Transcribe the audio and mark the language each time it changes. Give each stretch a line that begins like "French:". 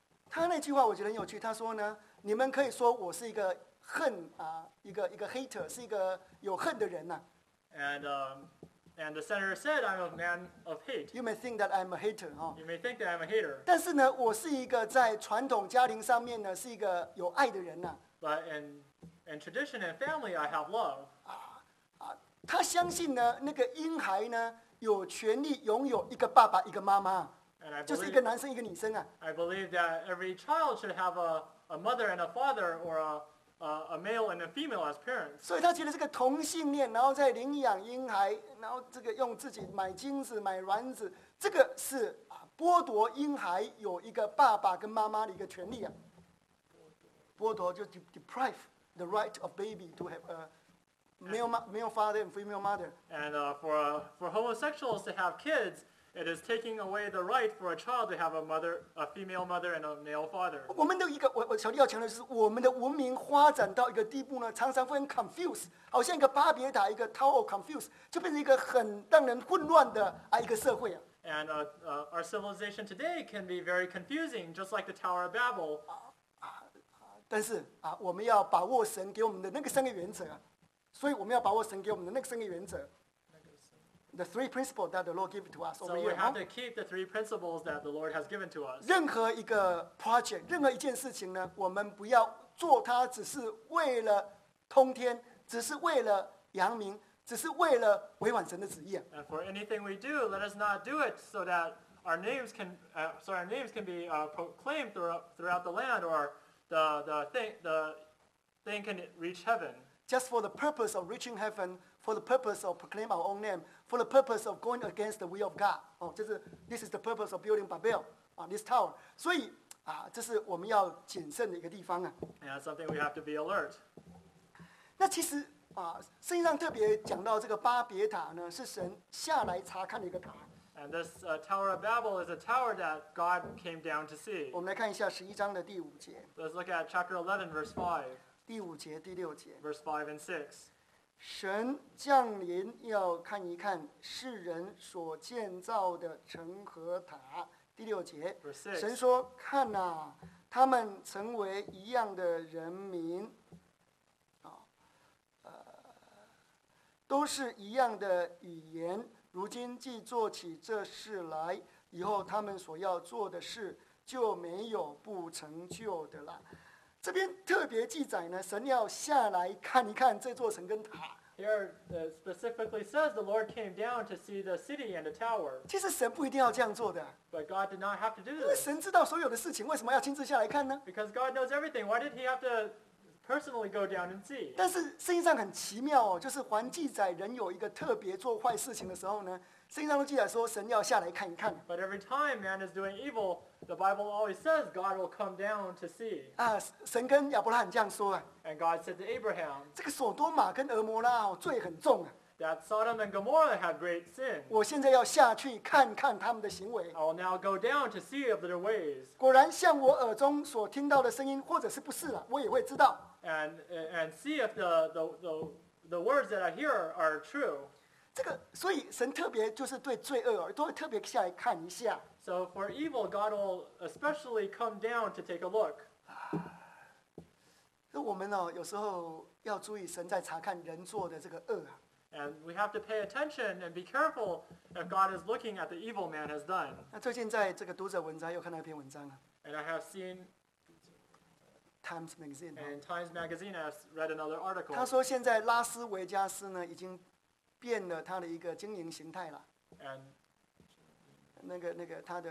Chinese: 他那句话我觉得很有趣，他说呢，你们可以说我是一个。恨啊，一个 hater 是一个有恨的人呐、啊。
English: And the senator said, "I'm a man of hate." You may think that I'm a hater, You may think that I'm a hater.
Chinese: 但是呢，我是一个在传统家庭上面呢是一个有爱的人呐、啊。
English: But in tradition and family, I have love.
Chinese: 他相信呢，那个婴孩呢有权利拥有一个爸爸一个妈妈，
English: believe,
Chinese: 就是一个男生一个女生啊。
English: I believe that every child should have a mother and a father or a male and a female as parents.
Chinese: 所以他觉得这个同性恋，然后再领养婴孩，然后这个用自己买精子、买卵子，这个是剥夺婴孩有一个爸爸跟妈妈的一个权利啊。剥夺就
English: deprive the right of baby to have a male father and female mother. And for homosexuals to have kids, it is taking away the right for a child to have a mother, a female mother, and a male father.
Chinese: 我们的一个我小弟要强调的是，我们的文明发展到一个地步呢，常常会很 confuse， 好像一个巴别塔，一个
English: tower of confuse，
Chinese: 就变成一个很让人混乱的一个社会啊。
English: And our civilization today can be very confusing, just like the Tower of Babel.
Chinese: 但是我们要把握神给我们的那个三个原则，所以我们要把握神给我们的那个三个原则。
English: The three principles that the Lord gave to us. So we have to keep the three principles that the Lord has given to us.
Chinese: 任何一个 project, 任何一件事情呢，我们不要做它，只是为了通天，只是为了扬名，只是为了违反神的旨意。
English: And for anything we do, let us not do it so that our names can, our names can be proclaimed throughout the land, or the thing can reach heaven. Just for the purpose of reaching heaven. For the purpose of proclaim our own name, for the purpose of going against the will of God, this is the purpose of building Babel, this tower.
Chinese: 所以这是我们要谨慎的一个地方啊。
English: And that's something we have to be alert.
Chinese: 那其实啊，圣经上特别讲到这个巴别塔呢，是神下来查看的一个塔。
English: And this Tower of Babel is a tower that God came down to see.
Chinese: 我们来看一下十一章的第五节。
English: Let's look at chapter 11, verse 5.
Chinese: 第五节、第六节。
English: Verse 5 and 6.
Chinese: 神降临要看一看世人所建造的城和塔。第六节，神说：“看啊，他们成为一样的人民，都是一样的语言。如今既做起这事来，以后他们所要做的事就没有不成就的了。”这边特别记载呢，神要下来看一看这座城跟塔。
English: Here it specifically says the Lord came down to see the city and the tower.
Chinese: 其实神不一定要这样做的。
English: But God did not have to do this.
Chinese: 因为神知道所有的事情，为什么要亲自下来看呢？
English: Because God knows everything. Why did he have to personally go down and see?
Chinese: 但是圣经上很奇妙哦，就是凡记载人有一个特别做坏事情的时候呢，圣经上都记载说神要下来看一看。
English: But every time man is doing evil, the Bible always says God will come down to see.
Chinese: 啊，神跟亚伯拉罕这样说啊。
English: And God said to Abraham,
Chinese: 这个索多玛跟俄摩拉哦，罪很重啊。
English: That Sodom and Gomorrah had great sin.
Chinese: 我现在要下去看看他们的行为。
English: I'll now go down to see of their ways.
Chinese: 果然像我耳中所听到的声音，或者是不是了，我也会知道。
English: And see if the words that I hear are true.
Chinese: 这个，所以神特别就是对罪恶都会特别下来看一下。
English: So for evil, God will especially come down to take a look.
Chinese: 那我们呢、哦？有时候要注意神在查看人做的这个恶啊。
English: And we have to pay attention and be careful if God is looking at the evil man has done.
Chinese: 那最近在这个读者文摘又看到一篇文章啊。
English: And I have seen Times Magazine. And Times Magazine has read another article.
Chinese: 他说现在拉斯维加斯呢已经变了他的一个经营形态了。
English: And
Chinese: 那个他的。